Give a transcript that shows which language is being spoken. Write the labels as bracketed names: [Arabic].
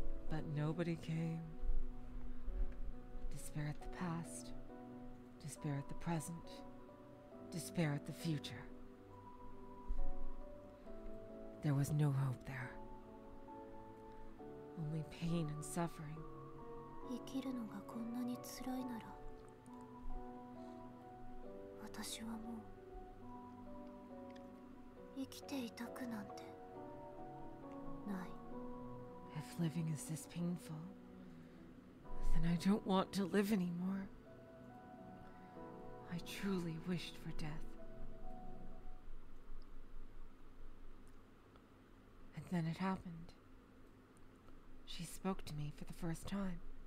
[English] But nobody came. Despair at the past. Despair at the present. Despair at the future. There was no hope there. Only pain and suffering. [Japanese] 生きるのがこんなに辛いなら私はもう生きていたくなんてない。 [English] If living is this painful, then I don't want to live anymore. I truly wished for death. And then it happened. She spoke to me for the first time.